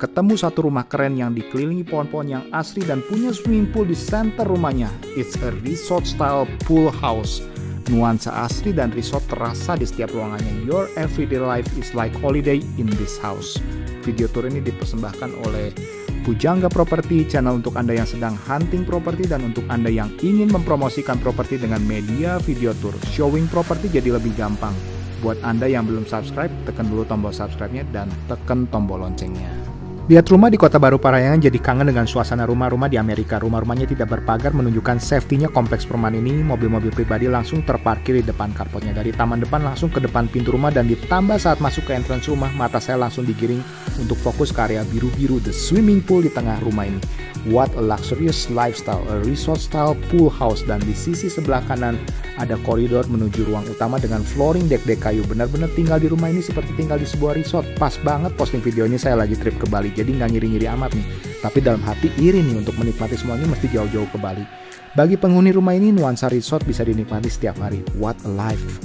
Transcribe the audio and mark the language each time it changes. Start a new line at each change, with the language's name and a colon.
Indonesian: Ketemu satu rumah keren yang dikelilingi pohon-pohon yang asri dan punya swimming pool di center rumahnya.
English: It's a resort style pool house.
Indonesian: Nuansa asri dan resort terasa di setiap ruangannya.
English: Your everyday life is like holiday in this house.
Indonesian: Video tour ini dipersembahkan oleh Pujangga Property, channel untuk Anda yang sedang hunting properti dan untuk Anda yang ingin mempromosikan properti dengan media video tour. Showing properti jadi lebih gampang. Buat Anda yang belum subscribe, tekan dulu tombol subscribe-nya dan tekan tombol loncengnya. Lihat rumah di Kota Baru Parahyangan jadi kangen dengan suasana rumah-rumah di Amerika. Rumah-rumahnya tidak berpagar menunjukkan safety-nya kompleks perumahan ini. Mobil-mobil pribadi langsung terparkir di depan carport-nya. Dari taman depan langsung ke depan pintu rumah dan ditambah saat masuk ke entrance rumah, mata saya langsung digiring untuk fokus ke area biru-biru the swimming pool di tengah rumah ini.
English: What a luxurious lifestyle, a resort style pool house.
Indonesian: Dan di sisi sebelah kanan ada koridor menuju ruang utama dengan flooring dek-dek kayu. Benar-benar tinggal di rumah ini seperti tinggal di sebuah resort. Pas banget posting videonya saya lagi trip ke Bali, jadi nggak ngiri-ngiri amat nih. Tapi dalam hati iri nih, untuk menikmati semua ini mesti jauh-jauh ke Bali. Bagi penghuni rumah ini, nuansa resort bisa dinikmati setiap hari.
English: What a life.